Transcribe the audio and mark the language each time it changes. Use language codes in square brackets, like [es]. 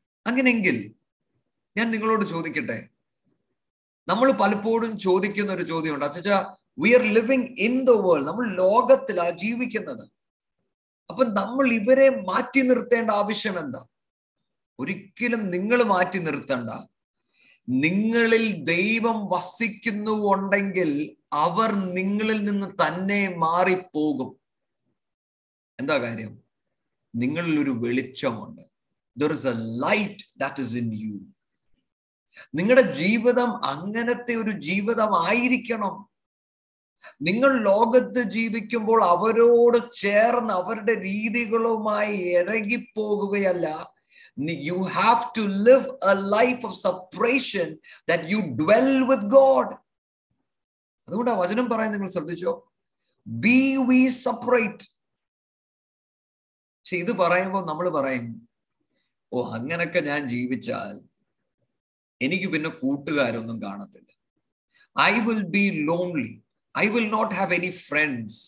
[ml] അങ്ങനെങ്കിൽ ഞാൻ നിങ്ങളോട് ചോദിക്കട്ടെ, നമ്മൾ പലപ്പോഴും ചോദിക്കുന്ന ഒരു ചോദ്യമുണ്ട്, അച്ഛാ [en] we are living in the world, [ml] നമ്മൾ ലോകത്തിലാ ജീവിക്കുന്നത്, അപ്പൊ നമ്മൾ ഇവരെ മാറ്റി നിർത്തേണ്ട ആവശ്യം എന്താ? ഒരിക്കലും നിങ്ങൾ മാറ്റി നിർത്തണ്ട. നിങ്ങളിൽ ദൈവം വസിക്കുന്നുണ്ടെങ്കിൽ അവർ നിങ്ങളിൽ നിന്ന് തന്നെ മാറിപ്പോകും. എന്താ കാര്യം? നിങ്ങളിൽ ഒരു വെളിച്ചമുണ്ട്. [en] There is a light that is in you. [ml] നിങ്ങളുടെ ജീവിതം അങ്ങനത്തെ ഒരു ജീവിതമായിരിക്കണം. നിങ്ങൾ ലോകത്ത് ജീവിക്കുമ്പോൾ അവരോട് ചേർന്ന് അവരുടെ രീതികളുമായി ഇഴകിപ്പോകുകയല്ല. [en] You have to live a life of separation that you dwell with God. [ml] അതുകൊണ്ട് വചനം പറയാൻ നിങ്ങൾ ശ്രദ്ധിച്ചോ, [en] Be we separate. [ml] പക്ഷെ ഇത് പറയുമ്പോൾ നമ്മൾ പറയും, ഓ അങ്ങനൊക്കെ ഞാൻ ജീവിച്ചാൽ എനിക്ക് പിന്നെ കൂട്ടുകാരൊന്നും കാണത്തില്ല. [en] I will be lonely, I will not have any friends.